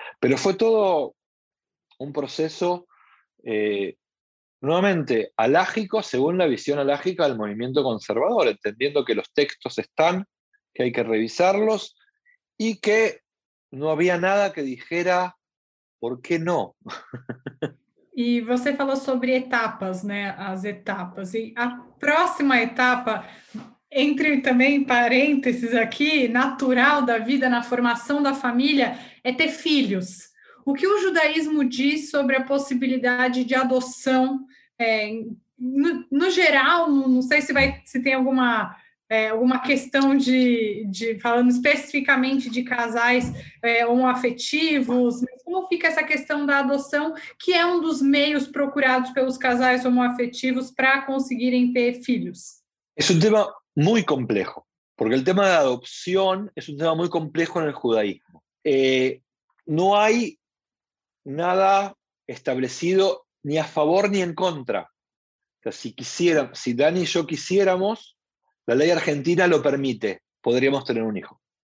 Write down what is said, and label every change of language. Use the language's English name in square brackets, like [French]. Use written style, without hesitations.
[Spanish] Pero fue todo un proceso, nuevamente, alágico, según la visión alágica del movimiento conservador, entendiendo que los textos están, que hay que revisarlos, y que no había nada que dijera por qué no. [Portuguese] E você falou sobre etapas, né? As etapas. E a próxima etapa, entre também parênteses aqui, natural da vida, na formação da família, é ter filhos. O que o judaísmo diz sobre a possibilidade de adoção, no geral, não sei se tem alguma, alguma questão de falando especificamente de casais homoafetivos, mas como fica essa questão da adoção, que é um dos meios procurados pelos casais homoafetivos para conseguirem ter filhos? É um tema muito complexo, porque o tema da adoção é um tema muito complexo no judaísmo. Não há nada estabelecido [Spanish] ni a favor ni en contra. O sea, si Dani y yo quisiéramos, la ley argentina lo permite, podríamos tener un hijo.